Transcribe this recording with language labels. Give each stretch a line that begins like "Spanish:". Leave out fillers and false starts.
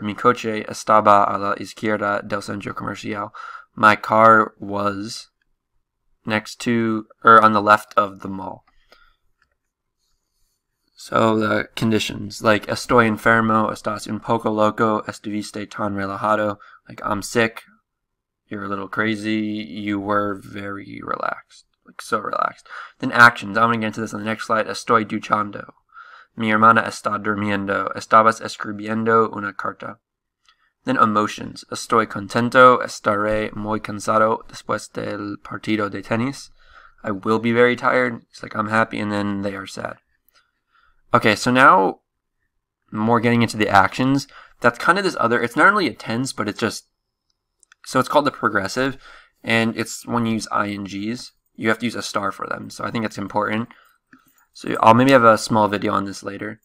Spanish: Mi coche estaba a la izquierda del centro comercial.
English: My car was next to or on the left of the mall. So the conditions like
Spanish: estoy enfermo, estás un poco loco, estuviste tan relajado,
English: like I'm sick, you're a little crazy, you were very relaxed, like so relaxed. Then actions, I'm gonna get into this on the next slide.
Spanish: Estoy duchando, mi hermana está durmiendo, estabas escribiendo una carta.
English: Then emotions.
Spanish: Estoy contento. Estaré muy cansado después del partido de tenis.
English: I will be very tired. It's like I'm happy, and then they are sad. Okay, so now more getting into the actions. That's kind of this other. It's not really a tense, but it's just. So it's called the progressive, and it's when you use ings. You have to use a star for them, so I think it's important. So I'll maybe have a small video on this later.